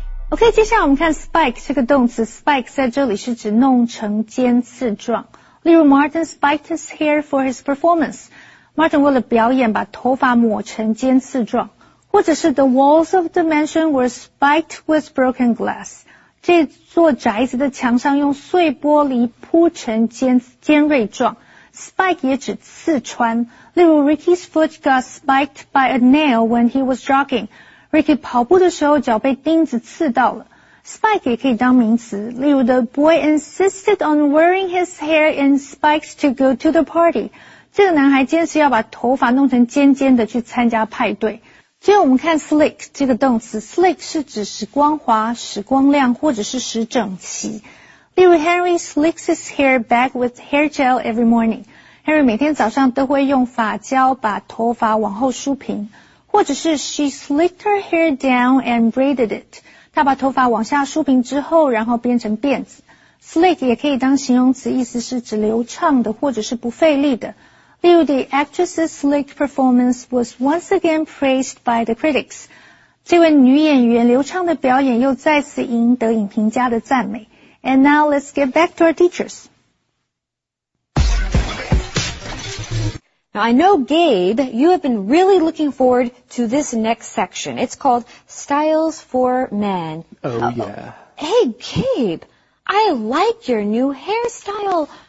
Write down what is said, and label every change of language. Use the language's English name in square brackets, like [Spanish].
[Chinese] OK, 接下来我们看 spike 这个动词 spike 在这里是指弄成尖刺状。例如 [English] Martin spiked his hair for his performance. Martin [Chinese] 为了表演把头发抹成尖刺状。或者是 [English] The walls of the mansion were spiked with broken glass. [Chinese] 这座宅子的墙上用碎玻璃铺成 尖锐状。 [English] Spike [Chinese] 也指刺穿。例如 [English] Ricky's foot got spiked by a nail when he was jogging. [Chinese] Ricky 跑步的时候脚被钉子刺到了。Spike 也可以当名词。例如 [English] The boy insisted on wearing his hair in spikes to go to the party. [Chinese] 这个男孩坚持要把头发弄成尖尖的去参加派对。接着我们看 slick 这个动词 slick 是指使光滑使光亮或者是使整齐例如 [English] Henry slicks his hair back with hair gel every morning [Chinese] Henry 每天早上都会用发胶把头发往后梳平或者是 [English] she slicked her hair down and braided it [Chinese] 他把头发往下梳平之后，然后编成辫子。Slick 也可以当形容词，意思是指流畅的或者是不费力的。例如 [English] ,The actress's slick performance was once again praised by the critics. [Chinese] 这位女演员流畅的表演又再次赢得影评家的赞美。 [English] And now let's get back to our teachers. Now I know, Gabe, you have been really looking forward to this next section. It's called Styles for Men. Oh, yeah. Hey, Gabe, I like your new hairstyle.